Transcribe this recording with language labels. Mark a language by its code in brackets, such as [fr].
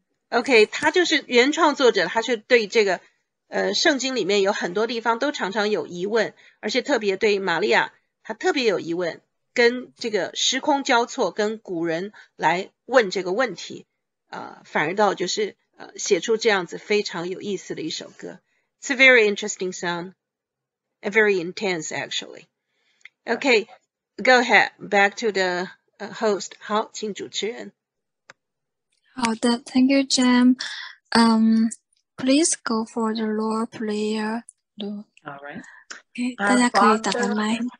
[zh] OK， 他就是原创作者， 他是对这个， 圣经里面有很多地方都常常有疑问， 而且特别对玛利亚， 他特别有疑问， 跟这个时空交错， 跟古人来问这个问题， 反而到就是 写出这样子非常有意思的一首歌。 [en] It's a very interesting song. And very intense, actually. Okay, go ahead. Back to the host. [zh] 好，请主持人。好的, [en] thank you, Jim. Please go for the Lord Prayer. All right. [zh] Okay, 大家可以打开麦。